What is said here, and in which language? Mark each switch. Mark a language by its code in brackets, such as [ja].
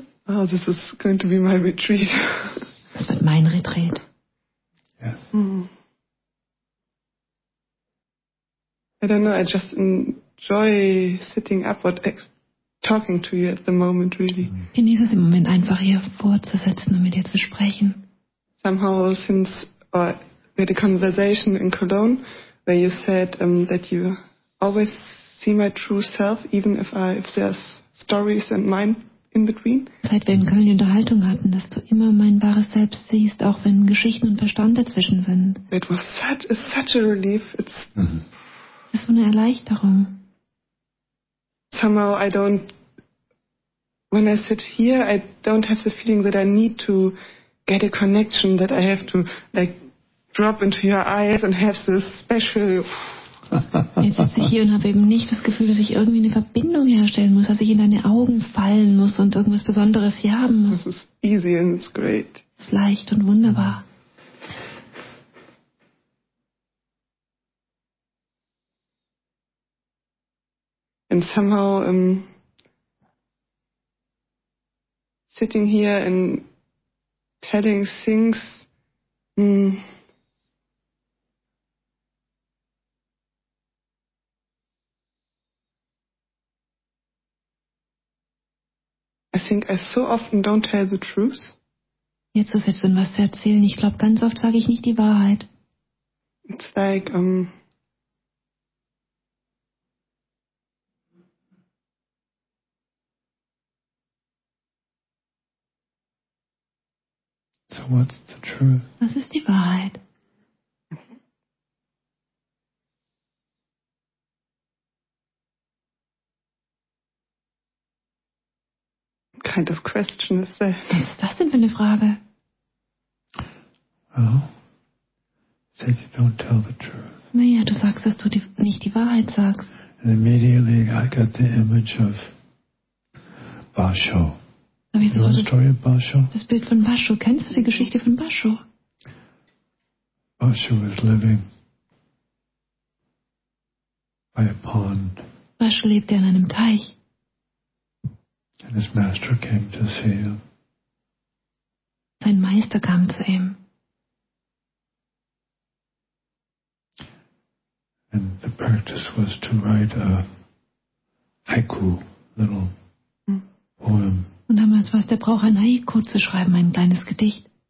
[en] Oh, this is going to be my retreat. [de] Das wird mein Retreat. [en] Yes. Mm. I don't know, I just enjoy sitting up and talking to you at the moment, really. [de] Ich genieße es im Moment einfach, hier vorzusetzen und mit dir zu sprechen. [en] Somehow since we had a conversation in Cologne, where you said that you always see my true self, even if there's stories and mine in between. [de] Seit wir in Köln die Unterhaltung hatten, dass du immer mein wahres Selbst siehst, auch wenn Geschichten und Verstand dazwischen sind. [en] It was such a relief. It's [de] Das ist so eine Erleichterung. [en] Somehow I don't, when I sit here, I don't have the feeling that I need to get a connection, that I have to like drop into your eyes and have this special. [de] Jetzt sitze ich hier und habe eben nicht das Gefühl, dass ich irgendwie eine Verbindung herstellen muss, dass ich in deine Augen fallen muss und irgendwas Besonderes hier haben muss. Das ist [en] easy and it's great. [de] Das ist leicht und wunderbar. [en] And somehow sitting here and telling things I think I so often don't tell the truth. [de] Jetzt ist es denn was zu erzählen. Ich glaube, ganz oft sage ich nicht die Wahrheit. [en] It's like so what's the truth? [de] Was ist die Wahrheit? [en] Kind of question is that? [de] Was ist das denn für eine Frage? [en] Oh, say you don't tell the truth. [de] Naja, du sagst, dass du nicht die Wahrheit sagst. [en] And immediately I got the image of Basho. [de] Hab ich [en] the story of Basho? [de] Das Bild von Basho. Kennst du die Geschichte von Basho? [en] Basho was living by a pond. [de] Basho lebte an einem Teich. [en] And his master came to see him. [de] Sein Meister kam zu ihm. [en] And the practice was to write a haiku, little poem. [de] Und damals war es der Brauch, ein Haiku zu schreiben, ein kleines Gedicht.